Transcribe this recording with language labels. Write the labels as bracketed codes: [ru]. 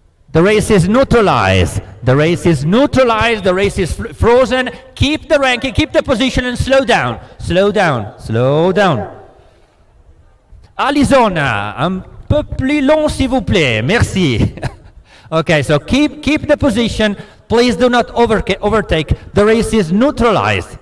[en] The race is neutralized, the race is frozen. Keep the ranking, keep the position and slow down. [fr] Alizona, un peu plus long s'il vous plaît, merci. [en] Okay, so keep the position, please do not overtake, the race is neutralized.